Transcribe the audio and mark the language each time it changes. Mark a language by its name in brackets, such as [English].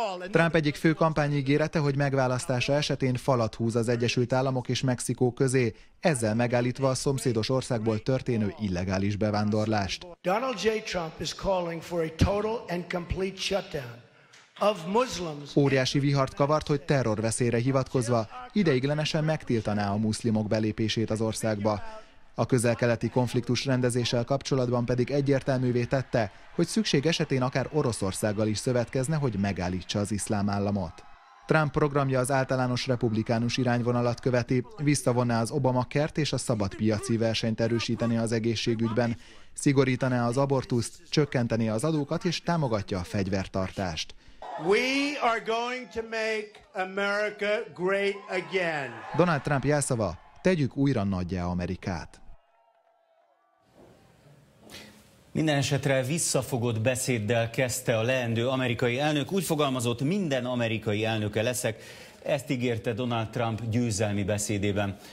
[Hungarian] Trump egyik fő kampányígérete, hogy megválasztása esetén falat húz az Egyesült Államok és Mexikó közé, ezzel megállítva a szomszédos országból történő illegális bevándorlást. [English] Donald J. Trump is calling for a total and complete shutdown of Muslims. [Hungarian] Óriási vihart kavart, hogy terrorveszélyre hivatkozva ideiglenesen megtiltaná a muszlimok belépését az országba. A közel-keleti konfliktus rendezéssel kapcsolatban pedig egyértelművé tette, hogy szükség esetén akár Oroszországgal is szövetkezne, hogy megállítsa az iszlám államot. Trump programja az általános republikánus irányvonalat követi, visszavonná az Obamacare-t és a szabad piaci versenyt erősíteni az egészségügyben, szigorítaná az abortuszt, csökkentené az adókat és támogatja a fegyvertartást. [English] We are going to make America great again. [Hungarian] Donald Trump jelszava: tegyük újra nagyjá Amerikát. Minden esetre visszafogott beszéddel kezdte a leendő amerikai elnök. Úgy fogalmazott, minden amerikai elnöke leszek. Ezt ígérte Donald Trump győzelmi beszédében.